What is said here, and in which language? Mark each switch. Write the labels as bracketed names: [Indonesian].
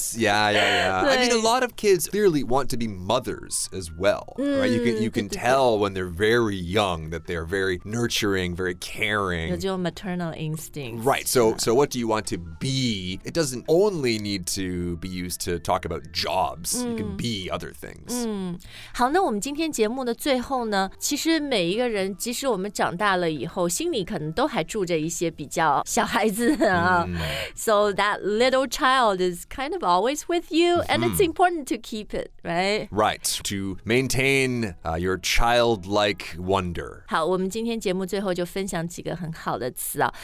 [English] Yeah, yeah, yeah. I mean, a lot of kids clearly want to be mothers as well. Right? You can tell when they're very young that they're very nurturing, very caring. [Chinese] 有这种 [English] maternal instincts. Right, so what do you want to be? It doesn't only need to be used to talk about jobs, you can be other things. [Chinese] 好，那我们今天节目的最后呢，其实每一个人，即使我们长大了以后，心里可能都还住着一些比较小孩子啊。 [English] So that little child is kind of always with you, and it's important to keep it, right? Right, to maintain your childlike wonder. [Chinese] 好，我们今天节目最后就分享几个很好的词啊。